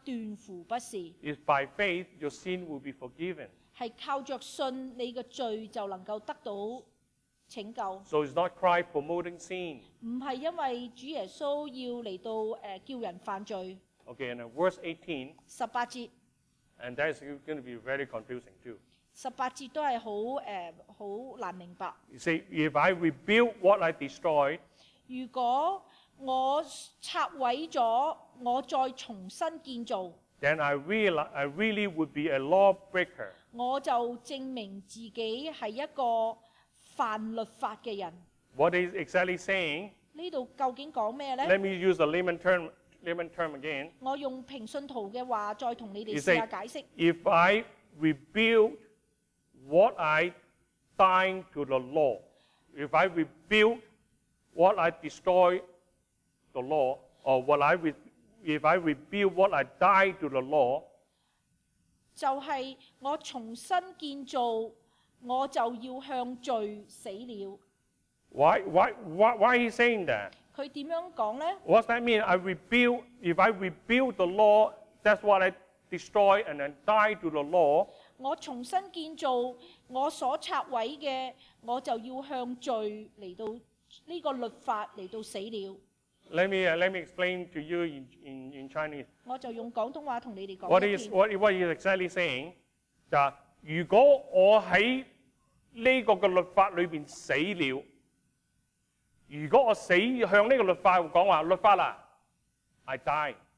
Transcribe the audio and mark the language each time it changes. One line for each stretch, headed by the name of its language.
Cantonese: 斷乎不是。
English: It's by faith your sin will be forgiven。
Cantonese: 係靠著信，你嘅罪就能夠得到拯救。
English: So it's not Christ promoting sin。
Cantonese: 唔係因為主耶穌要嚟到叫人犯罪。
English: Okay, and verse 18。
Cantonese: 十八節。
English: And that is going to be very confusing too.
Cantonese: 十八節都係好好難明白。
English: You say, if I rebuild what I destroyed,
Cantonese: 如果我拆毀咗，我再重新建造
English: ，then I really would be a lawbreaker.
Cantonese: 我就證明自己係一個犯律法嘅人。
English: What is exactly saying?
Cantonese: 呢度究竟講咩咧
English: ？Let me use a layman term again.
Cantonese: 我用平信徒嘅話再同你哋試下解釋。
English: If I rebuild What I dying to the law, if I rebuild what I destroy the law, or what I if I rebuild what I die to the law,
Cantonese: 就是我重新建造，我就要向罪死了。
English: Why he saying that?
Cantonese: 佢点样讲咧
English: ？What's that mean? I rebuild if I rebuild the law, that's what I destroy and then die to the law.
Cantonese: 我重新建造我所拆毁的，我就要向罪来到这个律法来到死了。
English: Let me explain to you in Chinese.
Cantonese: 我就用广东话同你哋讲。
English: What he is exactly saying?
Cantonese: 就如果我喺呢个嘅律法里边死了，如果我死向呢个律法讲话，律法啦 ，
English: I die。